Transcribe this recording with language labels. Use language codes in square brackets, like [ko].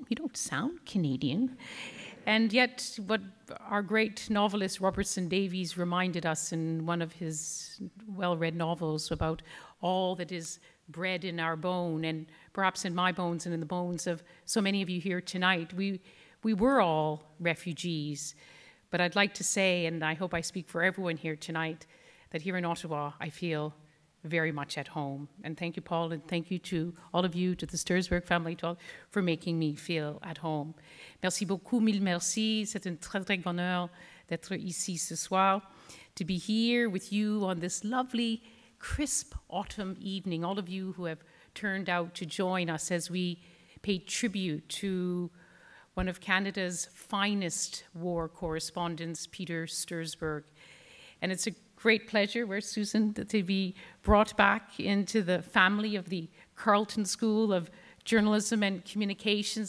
[en] You don't sound Canadian. And yet what our great novelist Robertson Davies reminded us in one of his well-read novels about all that is bred in our bone, and perhaps in my bones and in the bones of so many of you here tonight, we were all refugees. But I'd like to say, and I hope I speak for everyone here tonight, that here in Ottawa, I feel very much at home. And thank you, Paul, and thank you to all of you, to the Stursberg family, for making me feel at home. [fr] Merci beaucoup, mille merci. C'est un très, très grand honneur d'être ici ce soir, [en] to be here with you on this lovely, crisp autumn evening. All of you who have turned out to join us as we pay tribute to one of Canada's finest war correspondents, Peter Stursberg. And it's a great pleasure, where Susan, to be brought back into the family of the Carleton School of Journalism and Communications.